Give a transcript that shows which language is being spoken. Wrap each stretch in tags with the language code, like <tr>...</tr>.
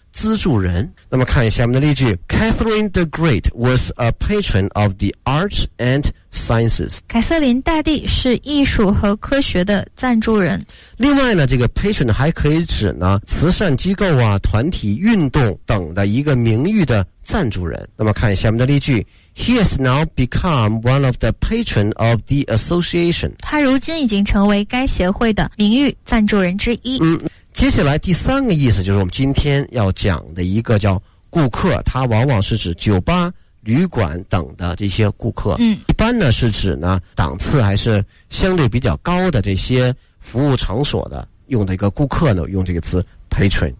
<zh>资助人。那么看下面的例句</zh> <en>Catherine the Great was a patron of the arts and sciences。</en> <zh>凯瑟琳大帝是艺术和科学的赞助人。另外呢，这个 patron 还可以指呢慈善机构啊、团体、运动等的一个名誉的赞助人。那么看下面的例句</zh> <en>He has now become one of the patron of the association。</en> <zh>他如今已经成为该协会的名誉赞助人之一。接下来第三个意思就是我们今天要讲的一个叫顾客，它往往是指酒吧、旅馆等的这些顾客。一般呢是指呢档次还是相对比较高的这些服务场所的用的一个顾客呢，用这个词 patron。</zh>